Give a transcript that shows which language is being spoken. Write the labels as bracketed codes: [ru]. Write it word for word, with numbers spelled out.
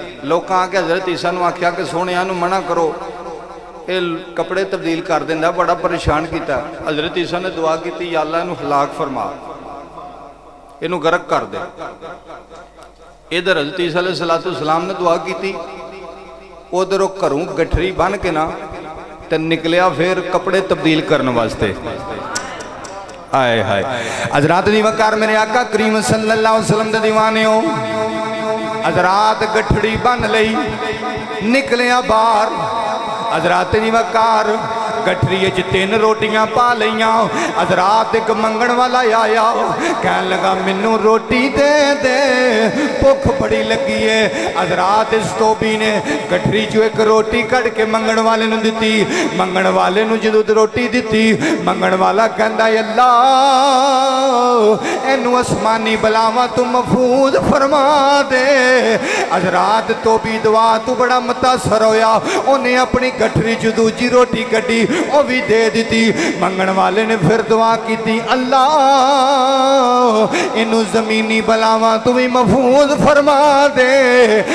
[pa] لوگ آ کے حضرت عیسیٰ نو آخیا کہ سونے نو منع کرو, اے کپڑے تبدیل کر دینا। بڑا پریشان کیتا। [ur] حضرت عیسیٰ نے دعا کی یا اللہ یہ ہلاک فرما, یہ غرق کر دے। ادھر حضرت عیسیٰ علیہ الصلوۃ والسلام نے دعا کی, [pa] ਉਧਰ ਉਹ ਘਰੋਂ ਗੱਠਰੀ ਬੰਨ ਕੇ ਨਾ ਤੇ ਨਿਕਲਿਆ ਫਿਰ ਕੱਪੜੇ ਤਬਦੀਲ ਕਰਨ ਵਾਸਤੇ। ਆਏ ਹਾਏ ਹਜ਼ਰਤ ਦੀ ਵਕਾਰ ਮੇਰੇ ਆਕਾ ਕਰੀਮ ਸੱਲੱਲਾਹੁ ਅਲੈਹਿ ਵਸੱਲਮ ਦੇ دیਵਾਨੇ ਹੋ। ਹਜ਼ਰਤ ਗੱਠੜੀ ਬੰਨ ਲਈ, ਨਿਕਲਿਆ ਬਾਹਰ। ਹਜ਼ਰਤ ਦੀ ਵਕਾਰ گٹھری وچ تین روٹیاں پا لیاں। اج رات ایک منگن والا آیا, کہن لگا مینوں روٹی دے دے, بھوک بڑی لگی ہے। اج رات اس توبی نے گٹھری چوں ایک روٹی کڈ کے منگن والے نوں دتی। منگن والے نوں جدوں روٹی دتی, منگن والا کہندا اے اللہ اینوں آسمانی بلاواں تو محفوظ فرما دے। اج رات توبی دعا تو بڑا متاثر ہویا, اونے اپنی گٹھری چوں دوجی روٹی کڈی وہ بھی دے دیتی। منگن والے نے پھر دعا کی تھی اللہ انہوں زمینی بلاواں تو بھی محفوظ فرما دے।